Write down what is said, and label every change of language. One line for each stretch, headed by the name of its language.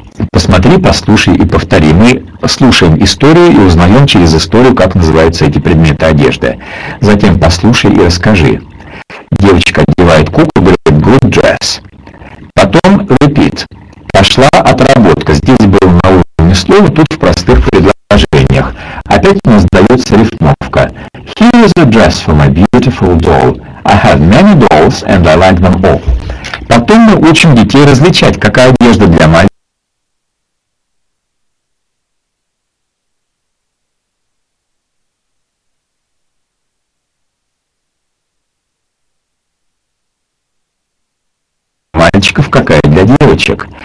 Russian: Посмотри, послушай и повтори. Мы слушаем историю и узнаем через историю, как называются эти предметы одежды. Затем послушай и расскажи. Девочка одевает куклу, говорит
English: «good dress».
Russian: Потом repeat. Пошла отработка. Здесь было на уровне слова, тут в простых предложениях. Опять у нас дается рифмовка.
English: Here is a dress for my beautiful doll. I have many dolls and I like them all.
Russian: Потом мы учим детей различать, какая одежда для мальчиков, какая для девочек.